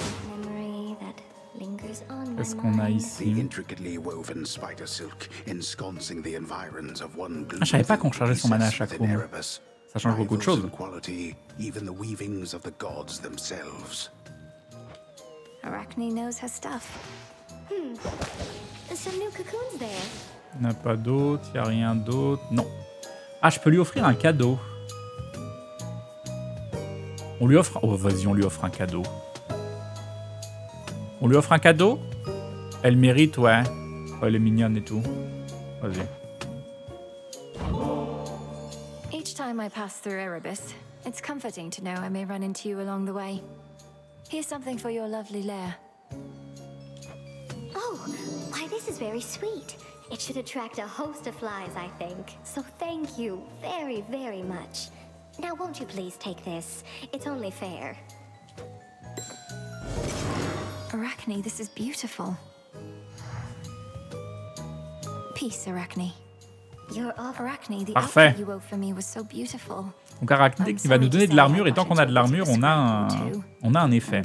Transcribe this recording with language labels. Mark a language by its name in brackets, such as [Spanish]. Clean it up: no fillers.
[English] Memory that lingers on my mind. [French] Qu'on a ici [English] the intricately woven spider silk ensconcing the environs of one blue. [French] Ah, je savais pas qu'on chargeait son mana à chaque room. Ça change beaucoup de choses. [English] Quality, even the weavings of the gods themselves. Arachne knows her stuff. [French] Il n'y a pas d'autre, il n'y a rien d'autre. Non. Ah, je peux lui offrir un cadeau. On lui offre... Oh, vas-y, on lui offre un cadeau. On lui offre un cadeau? Elle mérite, ouais. Oh, elle est mignonne et tout. Vas-y. [English] Each time I pass through Erebus, it's comforting to know I may run into you along the way. Here's something for your lovely lair. Oh, why this is very sweet. It should attract a host of flies, I think. So thank you very, very much. Now won't you please take this? It's only fair. Arachne, this is beautiful. Peace, Arachne. Your Arachne, the outfit you wove for me was so beautiful. [French] Donc Arachne qui va nous donner de l'armure et tant qu'on a de l'armure, on a un effet.